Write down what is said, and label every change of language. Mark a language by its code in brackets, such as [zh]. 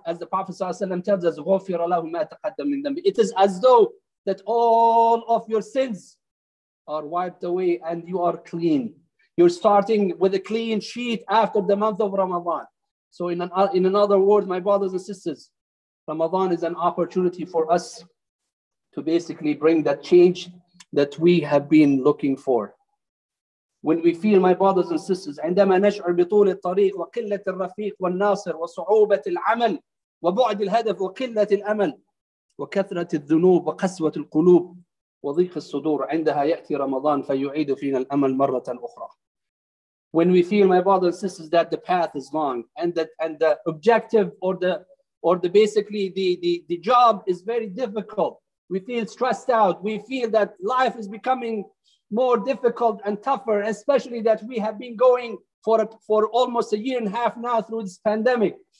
[en] As the Prophet sallallahu alaihi wasallam tells us, [ar] غفر الله ما تقدم من ذنبه. [en] It is as though that all of your sins are wiped away and you are clean. You're starting with a clean sheet after the month of Ramadan. So in another word, my brothers and sisters, Ramadan is an opportunity for us to basically bring that change that we have been looking for. When we feel, my brothers and sisters, [ar] عندما نشعر بطول الطريق وقلة الرفيق والناصر وصعوبة العمل وبعد الهدف وقلة الأمل وكثرة الذنوب وقسوة القلوب وضيق الصدور عندها يأتي رمضان فيعيد فينا الأمل مرة أخرى. [en] When we feel, my brothers and sisters, that the path is long and the objective or the basically the job is very difficult, we feel stressed out, we feel that life is becoming more difficult and tougher, especially that we have been going for almost a year and a half now through this pandemic.